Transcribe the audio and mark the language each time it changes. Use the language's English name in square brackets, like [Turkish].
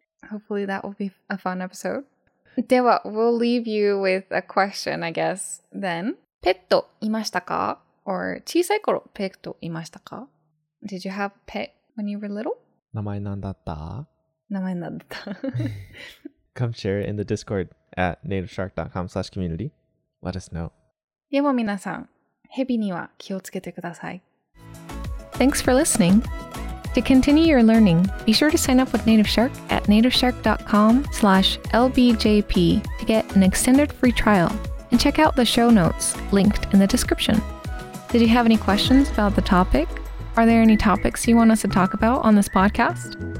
[English] Hopefully that will be a fun episode. Dewa, we'll leave you with a question, I guess, then. [Japanese] Petto imashita ka? Or 小さい頃 petto imashita ka? [English] Did you have a pet when you were little? [Japanese] 名前なんだった? 名前なんだった? [English] Come share it in the Discord at nativeshark.com/community. Let us know. [Japanese] でも皆さん、ヘビには気をつけてください。 [English] Thanks for listening. To continue your learning, be sure to sign up with Native Shark at nativeshark.com/lbjp to get an extended free trial and check out the show notes linked in the description. Did you have any questions about the topic? Are there any topics you want us to talk about on this podcast?